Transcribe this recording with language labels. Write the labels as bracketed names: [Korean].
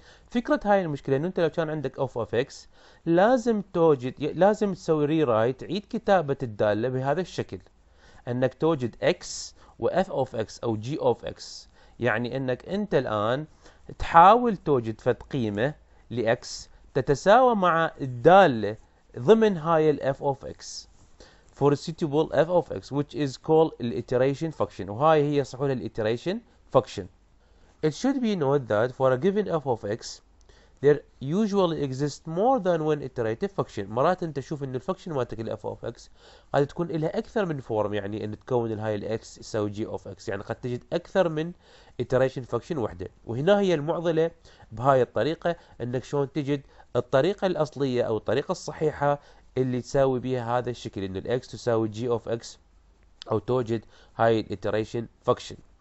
[Arabic] فكره هاي المشكله انه انت لو كان عندك اوف اوف اكس لازم توجد، لازم تسوي ري رايت، تعيد كتابه الداله بهذا الشكل، انك توجد اكس واف اوف اكس او جي اوف اكس، يعني انك انت الان تحاول توجد فت قيمه لاكس تتساوى مع الداله ضمن هاي الاف اوف اكس فور سيتيبل اف اوف اكس [English] which is called [Arabic] الايتريشن فانكشن، وهاي هي صحول الايتريشن فانكشن. [English] It should be noted that for a given f of x there usually exists more than one iterative function. [Arabic] مرات انت تشوف ان الفانكشن مالتك الاف اوف اكس قد تكون لها اكثر من فورم، يعني ان تكون هاي الاكس يساوي جي اوف اكس، يعني قد تجد اكثر من iteration function وحده. وهنا هي المعضله بهاي الطريقه، انك شلون تجد الطريقه الاصليه او الطريقه الصحيحه اللي تساوي بها هذا الشكل ان الاكس تساوي جي اوف اكس او توجد هاي الايتريشن فانكشن.